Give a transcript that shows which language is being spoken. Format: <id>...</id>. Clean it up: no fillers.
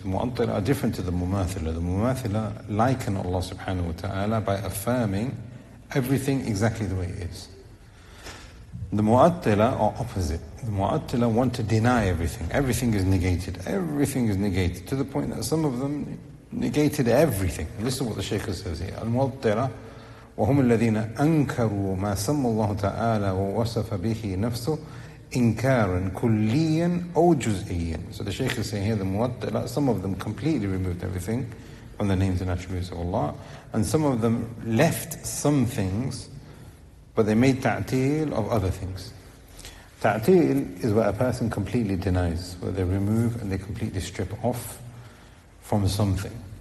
<en>The Mu'attilah are different to the Mumathilah. The Mumathilah liken Allah subhanahu wa ta'ala by affirming everything exactly the way it is. The Mu'attilah are opposite. The Mu'attilah want to deny everything. Everything is negated. Everything is negated. To the point that some of them negated everything. Listen to what the Shaykh says here.</en> <ar>Al-Mu'attilah, وهم الذين أنكروا ما سمى الله تعالى ووصف به نفسه إنكارا كليا أو جزئيا.</ar> <en>So the Shaykh is saying here, the Mu'attilah, some of them completely removed everything from the names and attributes of Allah, and some of them left some things, but they made ta'til of other things. Ta'til is where a person completely denies, where they remove and they completely strip off from something.</en>